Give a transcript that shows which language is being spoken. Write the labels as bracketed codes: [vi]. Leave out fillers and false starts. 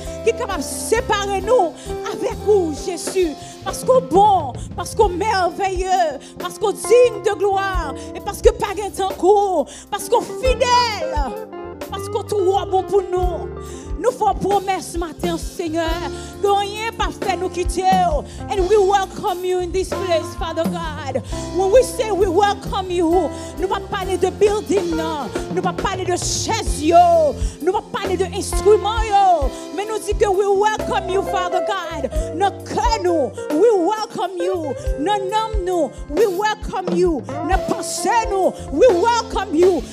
[fr] Qui est capable de séparer nous avec vous, Jésus? Parce qu'on est bon, parce qu'on est merveilleux, parce qu'on est digne de gloire, et parce que pas grand temps court, parce qu'on est fidèle, parce qu'on est trop bon pour nous. Nous faisons promesse ce matin, Seigneur, que rien ne peut faire nous quitter. [en] And we welcome you in this place, Father God. When we say we welcome you, [fr] nous ne pouvons pas parler de building, non. Nous ne pouvons pas parler de chaise, yo. Nous ne pouvons pas parler d'instruments, yo. Mais nous disons que [en] we welcome you, Father God. [fr] Notre cœur, nous, [en] we welcome. welcome you. [fr] Nos noms nous, [en] we welcome you. [fr] Nos pensées nous, we welcome you.